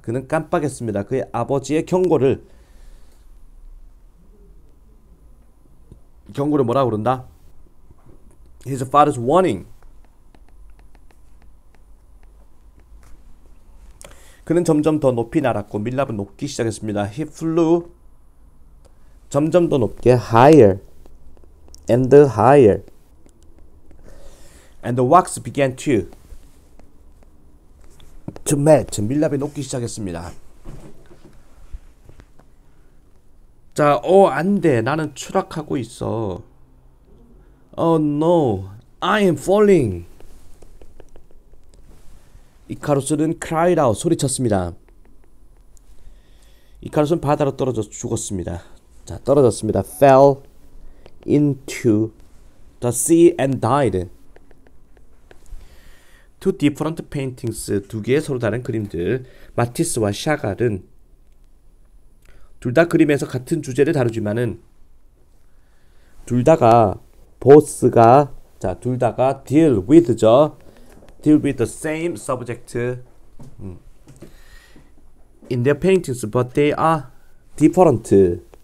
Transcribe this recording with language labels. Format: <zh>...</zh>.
<ko>그는 깜빡했습니다. 그의 아버지의 경고를 뭐라 그런다?</ko> <en>His father's warning.</en> <ko>그는 점점 더 높이 날았고 밀랍은 녹기 시작했습니다.</ko> <en>He flew</en> <ko>점점 더 높게</ko> <en>higher and higher. And the wax began to melt.</en> <ko>밀랍이 녹기 시작했습니다. 자, 안 돼. 나는 추락하고 있어.</ko> <en>Oh no. I am falling.</en> <ko>이카로스는 cried out 소리쳤습니다. 이카로스는 바다로 떨어져 죽었습니다.</ko> <en>자,</en> <ko>떨어졌습니다.</ko> <en>Fell into the sea and died. Two different paintings.</en> <ko>두 개의 서로 다른 그림들. 마티스와 샤갈은 둘다 그림에서 같은 주제를 다루지만은 둘 다가 보스가 자, 둘 다가 deal with죠.</ko> <en>Deal with the same subject in their paintings, but they are different.</en>